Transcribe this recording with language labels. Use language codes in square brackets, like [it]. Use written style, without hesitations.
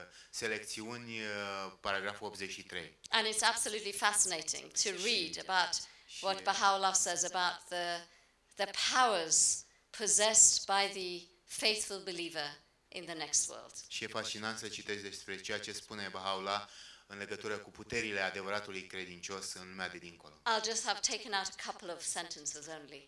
[ro] Selecțiuni paragraful 83. [en] And it's absolutely fascinating to read about what Baha'u'llah says about the powers possessed by the faithful believer in the next world. [ro] Și e fascinant să citești despre ceea ce spune Baha'u'llah în legătură cu puterile adevăratului credincios în lumea de dincolo. [en] I'll just have taken out a couple of sentences only.